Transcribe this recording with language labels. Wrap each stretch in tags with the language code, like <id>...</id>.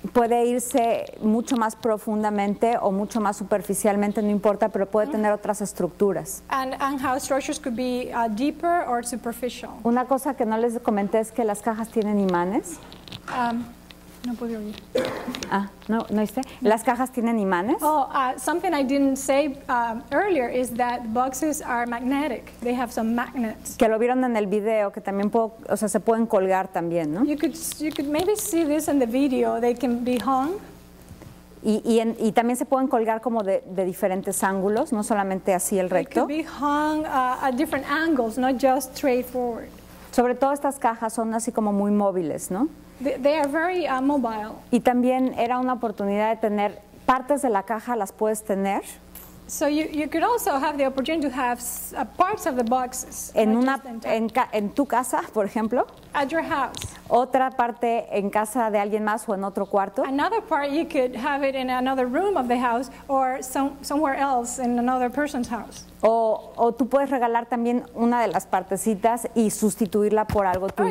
<es>Puede irse mucho más profundamente o mucho más superficialmente, no importa, pero puede tener otras estructuras.</es> <en>And how structures could be deeper or superficial.</en> <es>Una cosa que no les comenté es que las cajas tienen imanes. No pude oír. No hice. Las cajas tienen imanes.</es> <en>Oh, something I didn't say earlier is that boxes are magnetic. They have some magnets.</en> <es>Que lo vieron en el video, que también puedo, o sea, se pueden colgar también, ¿no?</es> <en>You could maybe see this in the video. They can be hung.</en> <es>Y también se pueden colgar como de diferentes ángulos, no solamente así el recto.</es> <en>They could be hung at different angles, not just straightforward.</en> <es>Sobre todo estas cajas son así como muy móviles, ¿no?</es> <en>They are very mobile.</en> <es>Y también era una oportunidad de tener partes de la caja, las puedes tener.</es> <en>So you could also have the opportunity to have parts of the boxes.</en> <es>En tu casa, por ejemplo.</es> <en>At your house.</en> <es>Otra parte en casa de alguien más o en otro cuarto.</es> <en>Another part you could have it in another room of the house or somewhere else in another person's house.</en> <es>O tú puedes regalar también una de las partecitas y sustituirla por algo tuyo.</es>